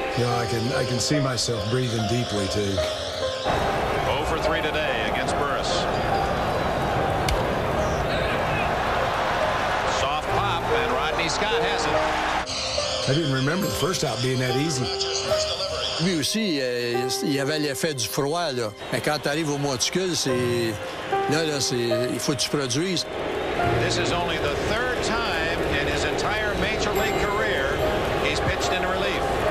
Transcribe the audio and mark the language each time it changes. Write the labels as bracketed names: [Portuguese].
[English] You know, I can see myself breathing deeply, too. 0-3 today against Burris. Soft pop, and Rodney Scott has it. I didn't remember the first out being that easy. [French] Lui aussi, il avait l'effet du froid, là. Mais quand t'arrives au monticule, il faut que tu produises. [English] This is only the third time in his entire Major League career he's pitched in relief.